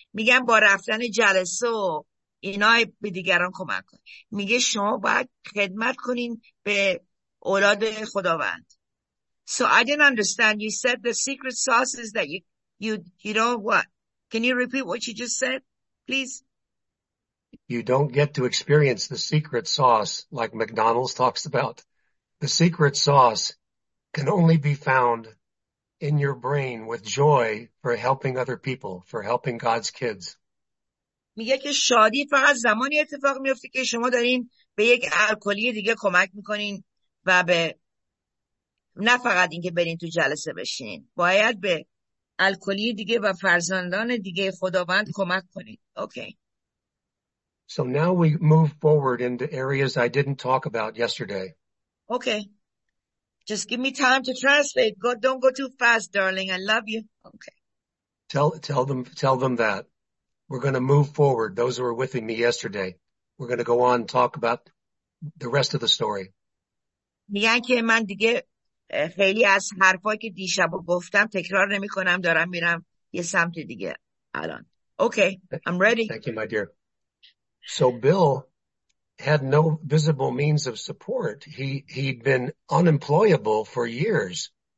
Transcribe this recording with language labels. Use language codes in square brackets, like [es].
[fa] میگن با رفتن جلسه و اینا به دیگران کمک کن. میگه شما باید خدمت کنین به اولاد خداوند. [en] So I didn't understand. You said the secret sauce is that you don't what? Can you repeat what you just said, please? You don't get to experience the secret sauce like McDonald's talks about. The secret sauce can only be found in your brain with joy for helping other people, for helping God's kids. [fa] میگه که شادی فقط زمانی اتفاق میفته که شما دارین به یک الکلی دیگه کمک میکنین و به نه فقط اینکه برین تو جلسه بشینین، باید به الکلی دیگه و فرزندان دیگه خداوند کمک کنین. [en] Okay. So now we move forward into areas I didn't talk about yesterday. Okay. Just give me time to translate. Go, don't go too fast, darling. I love you. Okay. Tell them that we're going to move forward. Those who were with me yesterday, we're going to go on and talk about the rest of the story. [fa] میگن که من دیگه خیلی از حرفایی که دیشب گفتم تکرار نمی کنم، دارم میرم یه سمت دیگه الان. [en] Okay, I'm ready. Thank you, my dear. So Bill had no visible means of support. He'd been unemployable for years.